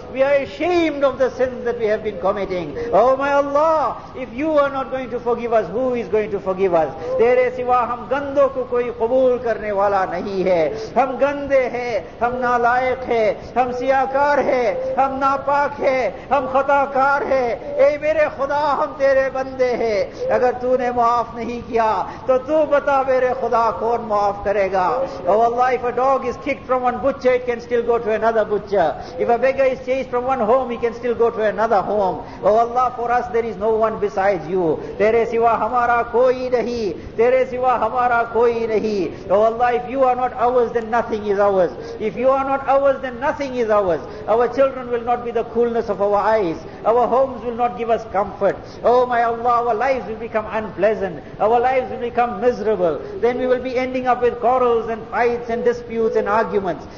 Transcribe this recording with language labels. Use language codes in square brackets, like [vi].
[en] We are ashamed of the sins that we have been committing. Oh my Allah, if you are not going to forgive us, who is going to forgive us? [ur] Tere siwa hum gando ko koi qubool karne wala nahi hai. Hum gande hai, hum nalayak hai, hum siyakar hai, ہم ناپاک ہیں، ہم خطاکار ہیں. اے میرے خدا، ہم تیرے بندے ہیں. اگر تو نے معاف نہیں کیا تو تو بتا میرے خدا کون معاف کرے گا. [en] Oh Allah, if a dog is kicked from one butcher, it can still go to another butcher. If a beggar is chased from one home, he can still go to another home. Oh Allah, for us there is no one besides you. [ur] تیرے سوا ہمارا کوئی نہیں، تیرے سوا ہمارا کوئی نہیں. [en] Oh Allah, if you are not ours, then nothing is ours. If you are not ours, then nothing is ours. Our children will not be the coolness of our eyes. Our homes will not give us comfort. Oh my Allah, our lives will become unpleasant. Our lives will become miserable. Then we will be ending up with quarrels and fights and disputes and arguments.